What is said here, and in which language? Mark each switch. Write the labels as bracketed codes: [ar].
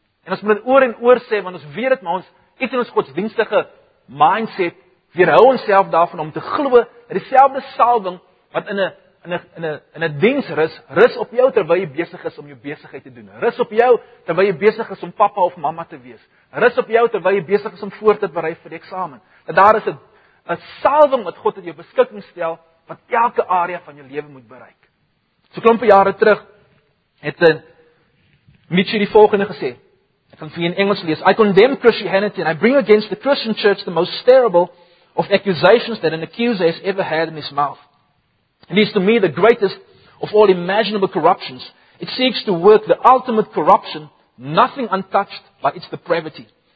[af] En ons moet dit oor en oor sê, want ons weet het, maar ons, iets in ons godsdienstige mindset, weerhou ons self daarvan om te glo, dat die selfde salving, wat in een diens rus op jou, terwyl jy besig is om jou besigheid te doen. Rus op jou, terwyl jy besig is om papa of mama te wees. Rus op jou, terwyl jy besig is om voort te berei vir die eksamen. Dat daar is een salving wat God in jou beskikking stel, wat elke area van jou leven moet bereik. So klompe jare terug, het Nietzsche die volgende gesê, ek kan vir in Engels lees, [en] I condemn Christianity and I bring against the Christian church the most terrible of accusations that an accuser has ever had in his mouth. It is to me the greatest of all imaginable corruptions. It seeks to work the ultimate corruption, nothing untouched by its depravity.